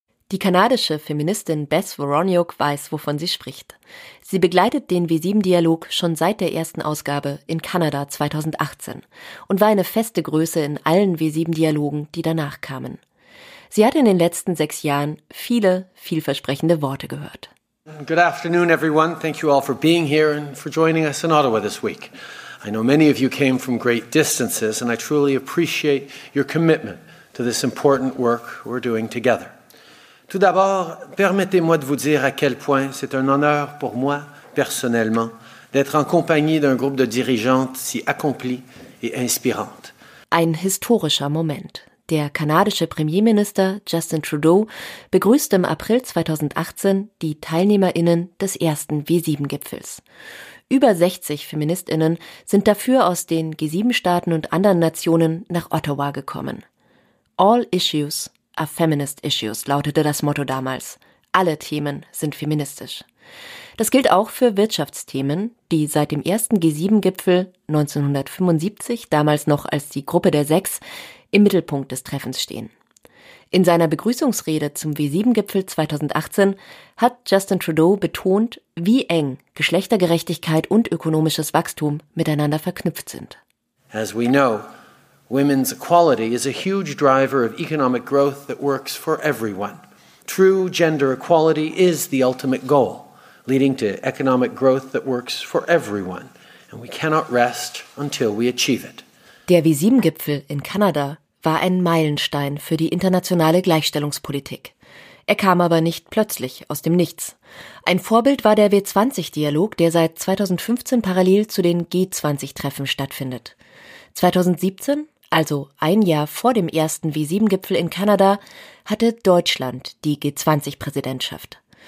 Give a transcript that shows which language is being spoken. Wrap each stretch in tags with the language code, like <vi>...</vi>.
<de>Die kanadische Feministin Beth Voroniuk weiß, wovon sie spricht. Sie begleitet den W7-Dialog schon seit der ersten Ausgabe in Kanada 2018 und war eine feste Größe in allen W7-Dialogen, die danach kamen. Sie hat in den letzten 6 Jahren viele vielversprechende Worte gehört.</de> <en>Good afternoon, everyone. Thank you all for being here and for joining us in Ottawa this week. I know many of you came from great distances and I truly appreciate your commitment to this important work we're doing together.</en> <fr>Tout d'abord, permettez-moi de vous dire à quel point c'est un honneur pour moi, personnellement, d'être en compagnie d'un groupe de dirigeantes si accomplies et inspirantes.</fr> <de>Ein historischer Moment. Der kanadische Premierminister Justin Trudeau begrüßt im April 2018 die TeilnehmerInnen des ersten W7-Gipfels. Über 60 FeministInnen sind dafür aus den G7-Staaten und anderen Nationen nach Ottawa gekommen.</de> <en>All issues are feminist issues,</en> <de>lautete das Motto damals. Alle Themen sind feministisch. Das gilt auch für Wirtschaftsthemen, die seit dem ersten G7-Gipfel 1975, damals noch als die Gruppe der Sechs, im Mittelpunkt des Treffens stehen. In seiner Begrüßungsrede zum W7-Gipfel 2018 hat Justin Trudeau betont, wie eng Geschlechtergerechtigkeit und ökonomisches Wachstum miteinander verknüpft sind.</de> <en>As we know, women's equality is a huge driver of economic growth that works for everyone. True gender equality is the ultimate goal, leading to economic growth that works for everyone. And we cannot rest until we achieve it.</en> <de>Der W7-Gipfel in Kanada war ein Meilenstein für die internationale Gleichstellungspolitik. Er kam aber nicht plötzlich aus dem Nichts. Ein Vorbild war der W20-Dialog, der seit 2015 parallel zu den G20-Treffen stattfindet. 2017, also ein Jahr vor dem ersten W7-Gipfel in Kanada, hatte Deutschland die G20-Präsidentschaft.</de>